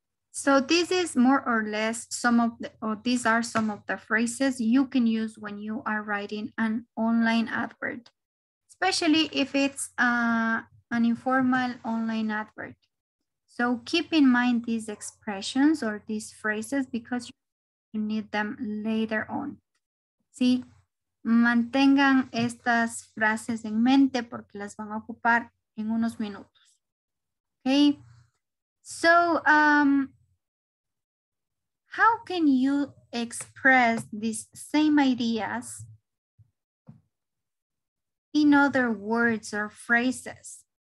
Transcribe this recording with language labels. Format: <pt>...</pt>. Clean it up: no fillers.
<en>So this is more or less some of the, or these are some of the phrases you can use when you are writing an online advert, especially if it's an informal online advert. So keep in mind these expressions or these phrases because you need them later on.</en> <es>¿Sí? Mantengan estas frases en mente porque las van a ocupar en unos minutos.</es> <en>Okay. So, how can you express these same ideas in other words or phrases?</en>